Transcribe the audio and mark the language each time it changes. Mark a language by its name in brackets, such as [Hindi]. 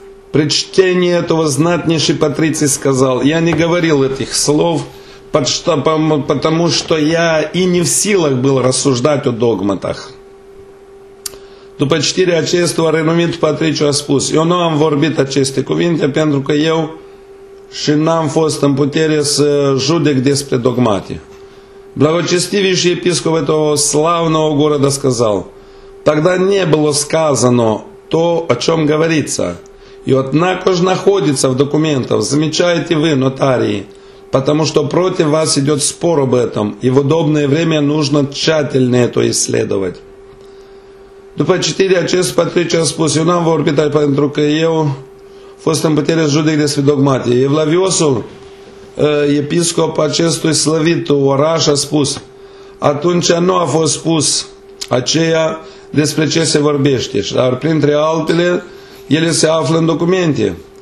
[Russian] Причтение этого знатнейший Патриций сказал: «Я не говорил этих слов, потому что я и не в силах был рассуждать о догматах». [Romanian] După citirea acestui, renumitul Patriciu a spus: «Eu nu am vorbit aceste cuvinte pentru că eu și n-am fost în putere să judec despre dogmate». [Russian] Благочестивий [Romanian] și [Russian] епископ этого славного города сказал: «Тогда не было сказано то, о чем говорится, и однако же находится в документах, замечаете вы, нотарии, потому что против вас идет спор об этом, и в удобное время нужно тщательно это исследовать». [Romanian] După citirea acestui, Patriciu a spus: «Eu n-am vorbit pentru că eu fost în putere să judec despre dogmate». Evlaviosul, episcop acestui slăvit oraș, a spus: «Atunci nu a fost spus aceea despre ce se vorbește, dar printre altele, ele se află în documente.